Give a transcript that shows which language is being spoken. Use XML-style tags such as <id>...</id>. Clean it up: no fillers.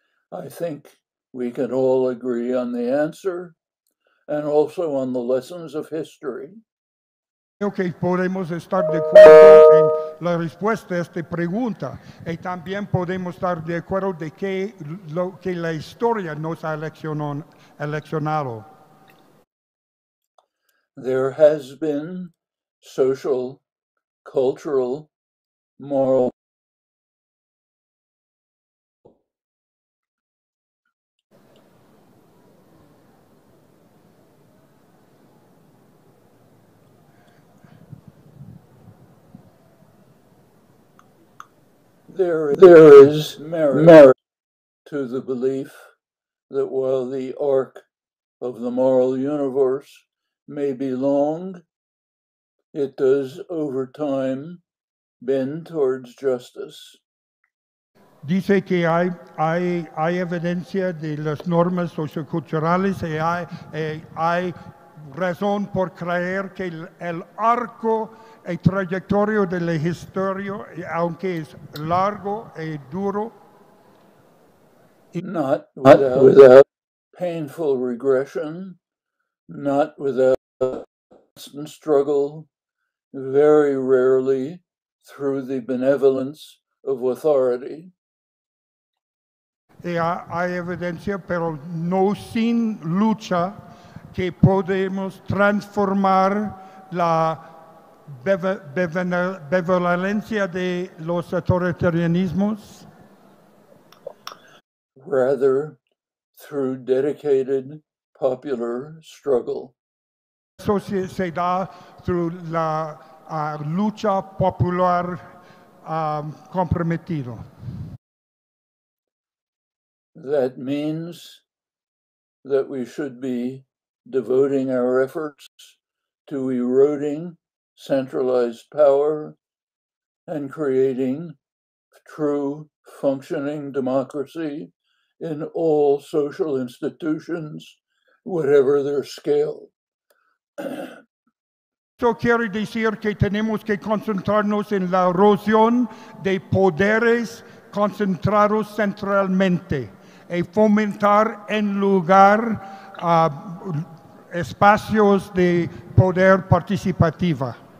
<en>I think we can all agree on the answer and also on the lessons of history.</en> <es>Creo que podemos estar de acuerdo en la respuesta a esta pregunta y también podemos estar de acuerdo de que lo que la historia nos ha leccionado.</es> <en>There has been social, cultural, moral. There is merit to the belief that while the arc of the moral universe may be long, it does over time bend towards justice.</en> <es>Dice que hay evidencia de las normas socioculturales y hay razón por creer que el arco y trayectoria de la historia, aunque es largo y duro,</es> <en>not without painful regression, not without constant struggle, very rarely through the benevolence of authority.</en> <es>Hay evidencia, pero no sin lucha, que podemos transformar la benevolencia de los autoritarianismos.</es> <en>Rather, through dedicated popular struggle.</en> <es>Se da through la lucha popular comprometido.</es> <en>That means that we should be devoting our efforts to eroding centralized power and creating true functioning democracy in all social institutions, whatever their scale.</en> <es>Esto quiere decir que tenemos que concentrarnos en la erosión de poderes concentrados centralmente y fomentar en lugar espacios de poder participativa.</es>